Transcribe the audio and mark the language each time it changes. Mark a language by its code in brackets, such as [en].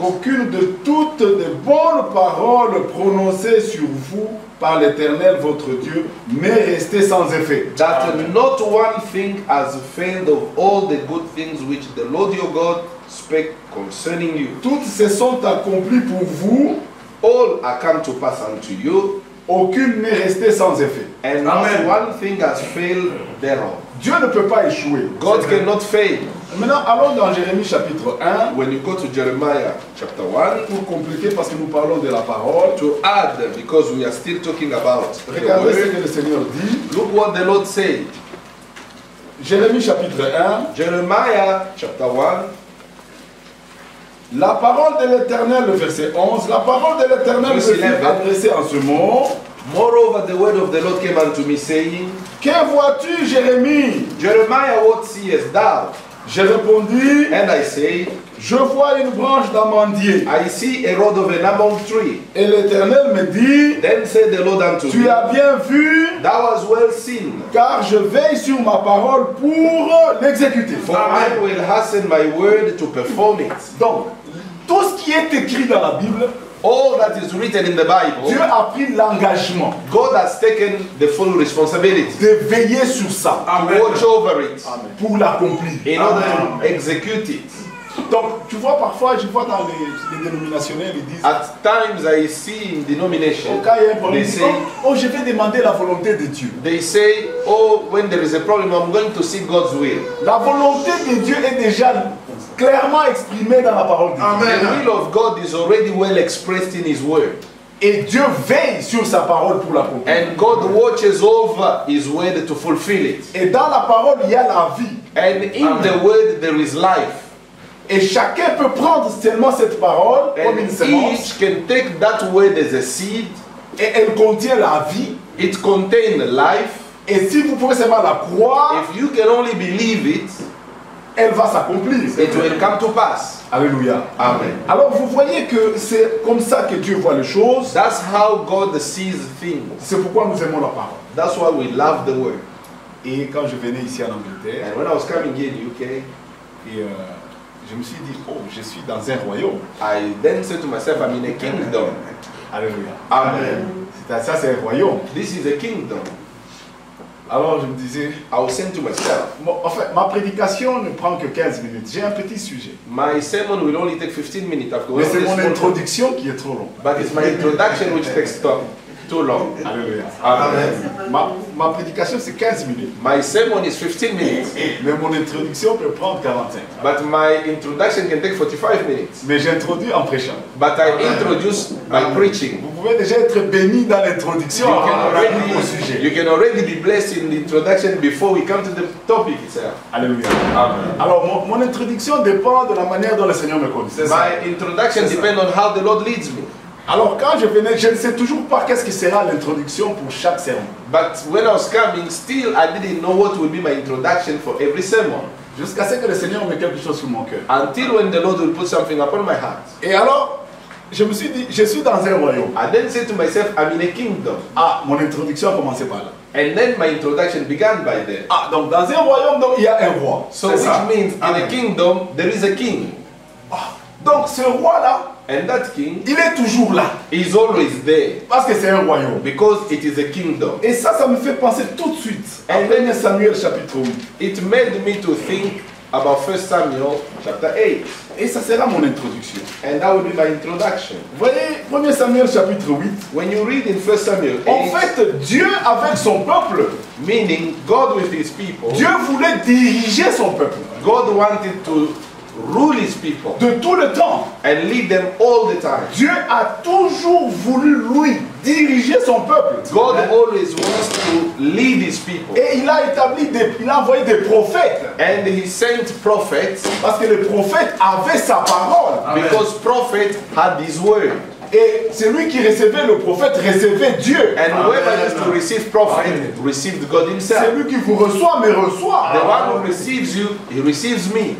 [fr] Qu'aucune de toutes les bonnes paroles prononcées sur vous par l'Éternel votre Dieu n'est restée sans effet. [en] That not one thing has failed of all the good things which the Lord your God spake concerning you. [fr] Toutes se sont accomplies pour vous. [en] All are come to pass unto you. [fr] Aucune n'est restée sans effet. [en] And Amen. Not one thing has failed thereof. [fr] Dieu ne peut pas échouer. [en] God cannot fail. [fr] Maintenant, allons dans Jérémie chapitre 1. [en] When you go to Jeremiah chapter 1, [fr] pour compléter parce que nous parlons de la parole. [en] To add because we are still talking about. [fr] Regardez ce que le Seigneur dit. [en] Look what the Lord said. [fr] Jérémie chapitre 1. [en] Jeremiah chapter 1. [fr] La parole de l'Éternel, le verset 11, la parole de l'Éternel me fut adressée en ce mot. [en] Moreover, the word of the Lord came unto me, saying, [fr] que vois-tu, Jérémie? [en] Jeremiah, what seest thou? [fr] J'ai répondu, [en] and I say, [fr] je vois une branche d'amandier. [en] I see a rod of an almond tree. [fr] Et l'Éternel me dit, [en] then said the Lord unto [fr] tu [en] me, [fr] as bien vu, [en] thou hast well seen, [fr] car je veille sur ma parole pour l'exécuter. [en] For I will hasten my word to perform it. [fr] Donc, tout ce qui est écrit dans la Bible, [en] all that is written in the Bible, [fr] Dieu a pris l'engagement. [en] God has taken the full responsibility. [fr] De veiller sur ça. [en] Amen. Watch over it. [fr] Amen. Pour l'accomplir. [en] In order to execute it. [fr] Donc, tu vois, parfois, je vois dans les dénominationnels, ils disent. [en] At times I see in denomination. Okay, they say, oh, [fr] je vais demander la volonté de Dieu. [en] They say, oh, when there is a problem, I'm going to seek God's will. [fr] La volonté de Dieu est déjà clairement exprimé dans la parole de Dieu. [en] Amen. The will of God is already well expressed in His word. [fr] Et Dieu veille sur sa parole pour l'accomplir. [en] And God watches over His word to fulfill it. [fr] Et dans la parole, il y a la vie. [en] And in the word there is life. [fr] Et chacun peut prendre seulement cette parole comme une semence. [en] Each can take that word as a seed. [fr] Et elle contient la vie. [en] It contains life. [fr] Et si vous pouvez seulement la croire, [en] if you can only believe it, [fr] elle va s'accomplir. [en] It will come to pass. [fr] Alléluia. [en] Amen. [fr] Alors vous voyez que c'est comme ça que Dieu voit les choses. [en] That's how God sees things. [fr] C'est pourquoi nous aimons la parole. [en] That's why we love the word. [fr] Et quand je venais ici en Angleterre, [en] and when I was coming here in the UK, [fr] je me suis dit, oh, je suis dans un royaume. [en] I then said to myself, I'm in a kingdom. [fr] Alléluia. [en] Amen. [fr] Ça c'est un royaume. [en] This is a kingdom. [fr] Alors je me disais, [en] I was saying to myself, [fr] ma prédication ne prend que 15 minutes. J'ai un petit sujet. [en] My sermon will only take 15 minutes. [fr] Mais c'est mon introduction qui est trop longue. [en] But it's my introduction which takes too long. [fr] Alléluia. [en] Amen. [fr] Ma prédication c'est 15 minutes. [en] My sermon is 15 minutes. [fr] Mais mon introduction peut prendre 45. [en] But my introduction can take 45 minutes. [fr] Mais j'introduis en prêchant. [en] But I introduce by preaching. [fr] Vous pouvez déjà être béni dans l'introduction. [en] You can already be sujet. You can already be blessed in the introduction before we come to the topic itself. [fr] Alléluia. [en] Amen. [fr] Alors mon introduction dépend de la manière dont le Seigneur me conduit. [en] My introduction depends on how the Lord leads me. [fr] Alors quand je venais, je ne sais toujours pas qu'est-ce qui sera l'introduction pour chaque sermon. [en] But when I was coming, still I didn't know what would be my introduction for every sermon. [fr] Jusqu'à ce que le Seigneur mette quelque chose sur mon cœur. [en] Until when the Lord will put something upon my heart. [fr] Et alors, je me suis dit, je suis dans un royaume. [en] I then said to myself, I'm in a kingdom. [fr] Ah, mon introduction a commencé par là. [en] And then my introduction began by there. [fr] Ah, donc dans un royaume, donc il y a un roi. So c'est which ça. [en] Means in Amen. A kingdom there is a king. [fr] Ah, donc ce roi là. [en] And that king, [fr] il est toujours là. [en] He is always there. [fr] Parce que c'est un royaume. [en] Because it is a kingdom. [fr] Et ça me fait penser tout de suite à 1 Samuel chapitre 8. [en] It made me to think about 1 Samuel chapter 8. [fr] Et ça sera mon introduction. [en] And that will be my introduction. [fr] Voyez 1 Samuel chapitre 8. [en] When you read in 1 Samuel 8, [fr] en fait, Dieu avec son peuple, [en] meaning God with his people, [fr] Dieu voulait diriger son peuple. [en] God wanted to rule his people [fr] de tout le temps [en] and lead them all the time. [fr] Dieu a toujours voulu lui diriger son peuple. [en] God always wants to lead his people. [fr] Et il a établi des, il a envoyé des prophètes. [en] And he sent prophets [fr] parce que le prophète avait sa parole. [en] Amen. Because prophet had his word. [fr] Et celui qui recevait le prophète recevait Dieu. [en] And whoever used to receive prophet received God himself. [fr] Celui qui vous reçoit me reçoit. [en] The one who receives you, he receives me.